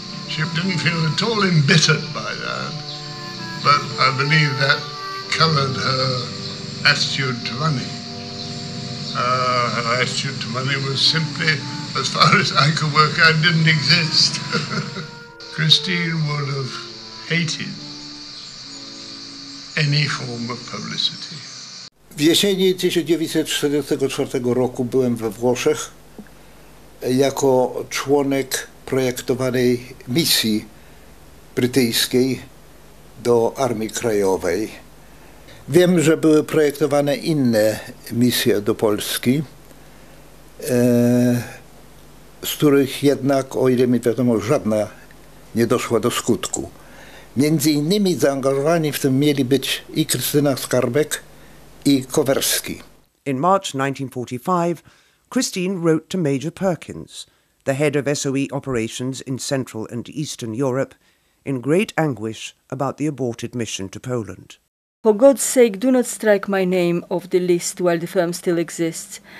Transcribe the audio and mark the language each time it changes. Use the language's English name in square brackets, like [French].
[English] She didn't feel at all embittered by that, but I believe that colored her attitude to money. Her attitude to money was simply, as far as I could work out, didn't exist. Christine would have hated any form of publicity. [Polish] W jesieni 1944 roku byłem we Włoszech jako członek projektowanej misji brytyjskiej do Armii Krajowej. Wiem, że były projektowane inne misje do Polski, z których jednak, o ile mi wiadomo, żadna nie doszła do skutku. Między innymi zaangażowani w tym mieli być i Krystyna Skarbek, i Kowerski. [English] In March 1945, Christine wrote to Major Perkins, the head of SOE operations in Central and Eastern Europe, in great anguish about the aborted mission to Poland. For God's sake, do not strike my name off the list while the firm still exists.